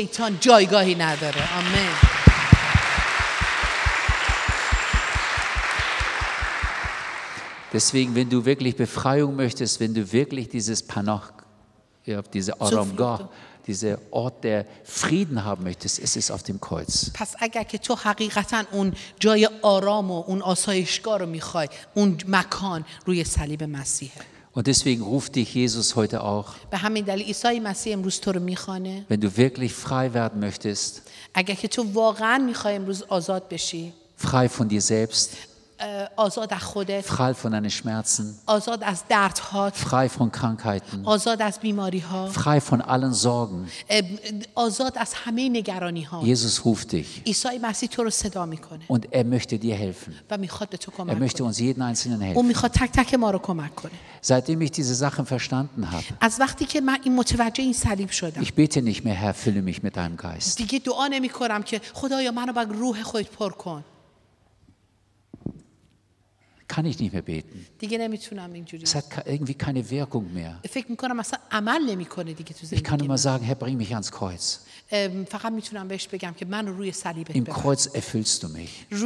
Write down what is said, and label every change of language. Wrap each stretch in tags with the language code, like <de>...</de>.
<de>Amen. Deswegen, wenn du wirklich Befreiung möchtest, wenn du wirklich dieses Panach, ja, diese Aramga, dieser Ort, der Frieden haben möchtest, es ist auf dem Kreuz.</de> <fa>پس اگر که تو حقیقتاً اون جای آرام و اون آسایشگاه رو میخوای، اون مکان روی صلیب مسیح.</fa> <de>Und deswegen ruft dich Jesus heute auch.</de> <fa>به همین دلیل عیسی مسیح امروز تو رو میخوانه.</fa> <de>Wenn du wirklich frei werden möchtest.</de> <fa>اگر که تو واقعاً میخوای امروز آزاد بشی.</fa> <de>Frei von dir selbst.</de> <fa>آزاد از خودت.</fa> <de>Frei von deinen Schmerzen.</de> <fa>آزاد از دردها.</fa> <de>Frei von Krankheiten.</de> <fa>آزاد از بیماریها.</fa> <de>Frei von allen Sorgen.</de> <fa>آزاد از همه نگرانیها.</fa> <de>Jesus ruft dich.</de> <fa>عیسی مسیح تو رو صدا میکنه.</fa> <de>Und er möchte dir helfen.</de> <fa>و میخواد به تو کمک کنه.</fa> <de>Er möchte uns jeden einzelnen helfen.</de> <fa>او میخواد تک تک ما رو کمک کنه.</fa> <de>Seitdem ich diese Sachen verstanden habe.</de> <fa>از وقتی که من این متوجه این صلیب شدم.</fa> <de>Ich bete nicht mehr, Herr, fülle mich mit deinem Geist.</de> <fa>دیگه دعا نمیکنم که خدایا منو با روح خودت پر کن.</fa> <de>Kann ich nicht mehr beten. Es hat irgendwie keine Wirkung mehr. Ich kann immer sagen, Herr, bring mich ans Kreuz. Im Kreuz erfüllst du mich.</de>